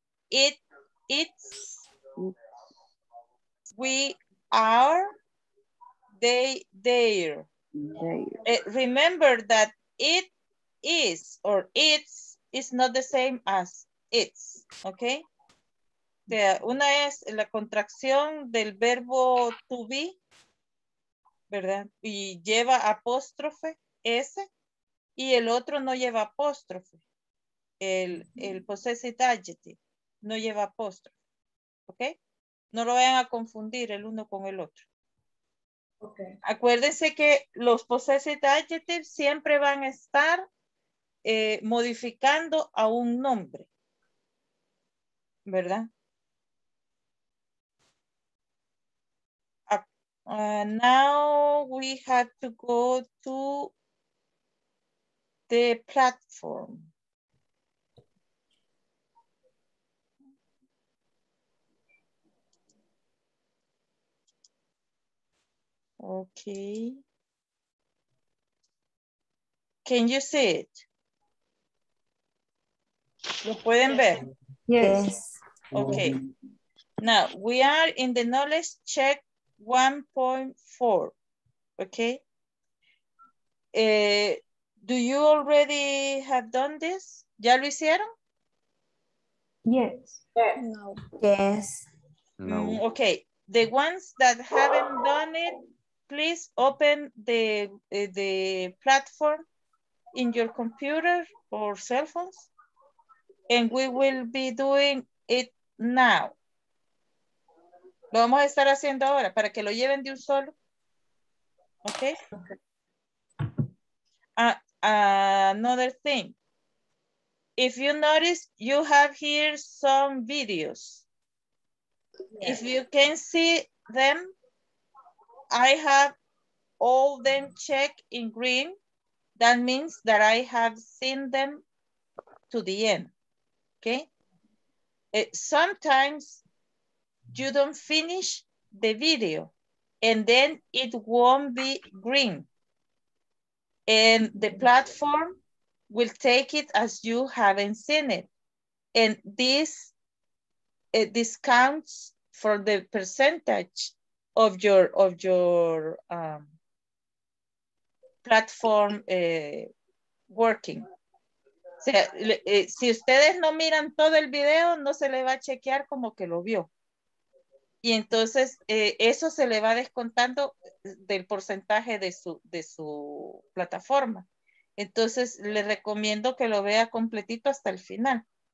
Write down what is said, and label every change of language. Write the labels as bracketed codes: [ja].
[en] It, it's, we are, they, there. Remember that it is or it's is not the same as it's, okay? [es] Una es la contracción del verbo to be, ¿verdad? Y lleva apóstrofe S, y el otro no lleva apóstrofe, el possessive adjective no lleva apóstrofe, ¿ok? No lo vayan a confundir el uno con el otro. Okay. Acuérdense que los possessive adjectives siempre van a estar modificando a un nombre, ¿verdad? [en] Now we have to go to the platform. Okay. Can you see it? [es] ¿Lo pueden ver? [en] Yes. Okay. Now we are in the knowledge check 1.4. Okay. Do you already have done this? [es] ¿Ya lo hicieron? [en] Yes. No. Yes. No. Okay. The ones that haven't done it, please open the platform in your computer or cell phones, and we will be doing it now. [es] Lo vamos a estar haciendo ahora para que lo lleven de un solo. Okay? [en] Another thing. If you notice, you have here some videos. Yes. If you can see them, I have all them checked in green. That means that I have seen them to the end. Okay? Sometimes you don't finish the video and then it won't be green. And the platform will take it as you haven't seen it. And this discounts for the percentage of your platform working. [es] O sea, si ustedes no miran todo el video, no se le va a chequear como que lo vio. Y entonces eso se le va descontando del porcentaje de su plataforma. Entonces le recomiendo que lo vea completito hasta el final.